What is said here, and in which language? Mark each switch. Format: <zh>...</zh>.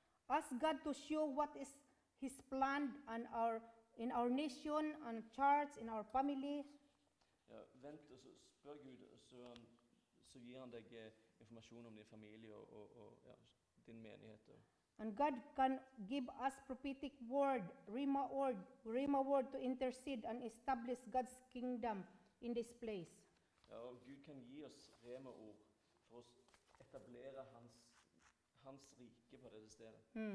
<en>Ask God to show what is His plan and in our nation, on church, in our family.</en> <sv>Ja, vent och spör Gud, så ger han dig information om din familj och din menighet.</sv> <en>And God can give us prophetic word, rhema word to intercede and establish God's kingdom in this place.</en> <sv>Ja, och Gud kan ge oss rhema ord för att etablera hans rike på det stället.</sv>